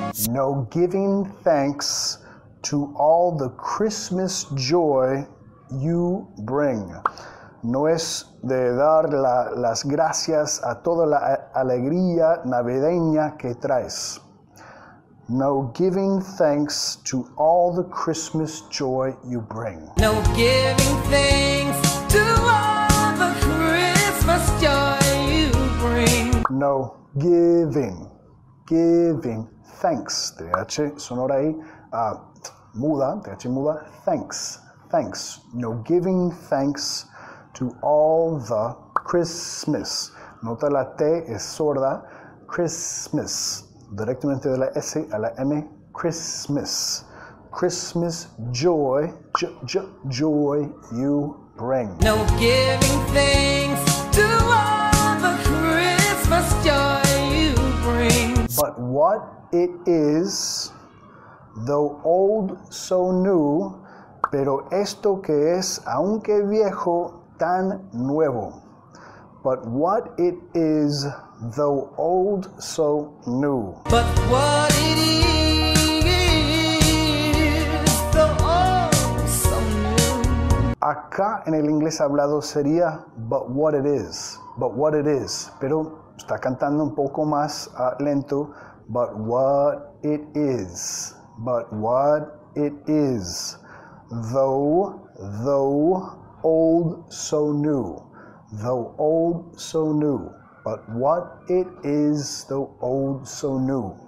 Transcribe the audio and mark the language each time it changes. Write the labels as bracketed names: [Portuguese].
[English] No giving thanks to all the Christmas joy you bring. [Spanish] No es de dar las gracias a toda la alegría navideña que traes. [English] No giving thanks to all the Christmas joy you bring. No giving thanks to all the Christmas joy you bring. No giving, giving. Thanks, [Spanish] TH sonora ahí, muda, TH muda, [English] thanks, thanks. No giving thanks to all the Christmas. [Spanish] Nota la T es sorda, Christmas, directamente de la S a la M, Christmas. [English] Christmas joy, joy you bring. No giving thanks to all the Christmas joy you bring. But what? It is, though old, so new, [Spanish] pero esto que es, aunque viejo, tan nuevo. [English] But what it is, though old, so new. But what it is, though old, so new. [Spanish] Acá en el inglés hablado sería, [English] but what it is, but what it is. [Spanish] Pero está cantando un poco más lento. [English] But what it is, but what it is, though old so new, though old so new, but what it is, though old so new.